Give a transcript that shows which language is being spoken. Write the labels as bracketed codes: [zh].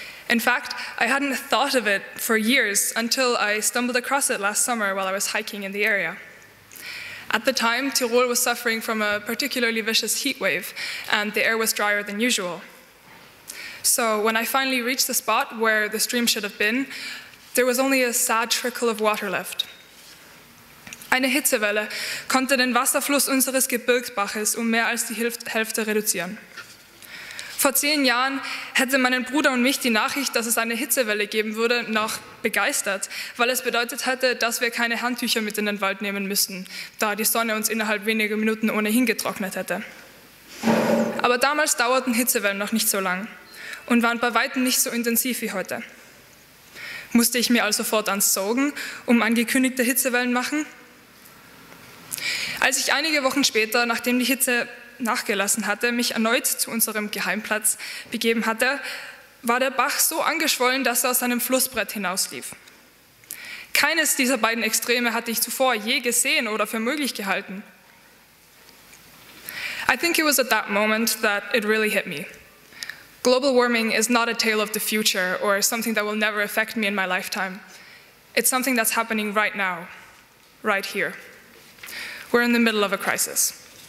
[en] In fact, I hadn't thought of it for years until I stumbled across it last summer while I was hiking in the area. At the time, Tyrol was suffering from a particularly vicious heat wave and the air was drier than usual. So when I finally reached the spot where the stream should have been, there was only a sad trickle of water left. [de] Eine Hitzewelle konnte den Wasserfluss unseres Gebirgsbaches um mehr als die Hälfte reduzieren. Vor 10 Jahren hätte meinen Bruder und mich die Nachricht, dass es eine Hitzewelle geben würde, noch begeistert, weil es bedeutet hätte, dass wir keine Handtücher mit in den Wald nehmen müssten, da die Sonne uns innerhalb weniger Minuten ohnehin getrocknet hätte. Aber damals dauerten Hitzewellen noch nicht so lang und waren bei weitem nicht so intensiv wie heute. Musste ich mir also fortan sorgen, um angekündigte Hitzewellen machen? Als ich einige Wochen später, nachdem die Hitze nachgelassen hatte, mich erneut zu unserem Geheimplatz begeben hatte, war der Bach so angeschwollen, dass er aus einem Flussbrett hinauslief. Keines dieser beiden Extreme hatte ich zuvor je gesehen oder für möglich gehalten. [en] I think it was at that moment that it really hit me. Global warming is not a tale of the future or something that will never affect me in my lifetime. It's something that's happening right now, right here. We're in the middle of a crisis.